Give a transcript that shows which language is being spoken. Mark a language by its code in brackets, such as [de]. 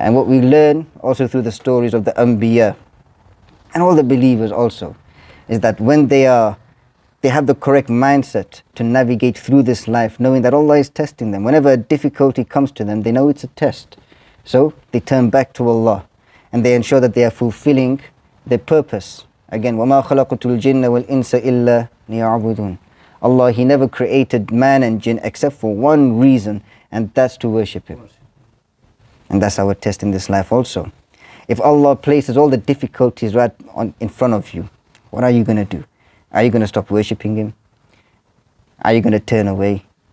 [en] And what we learn also through the stories of the Anbiya and all the believers also, is that when they have the correct mindset to navigate through this life, knowing that Allah is testing them. Whenever a difficulty comes to them, they know it's a test. So they turn back to Allah and they ensure that they are fulfilling their purpose. [ar] Again, وَمَا خَلَقُتُ الْجِنَّ وَالْإِنسَ إِلَّا لِيَعْبُدُونَ. [en] Allah, He never created man and jinn except for one reason, and that's to worship Him. And that's our test in this life also. If Allah places all the difficulties right on in front of you, what are you going to do? Are you going to stop worshipping Him? Are you going to turn away?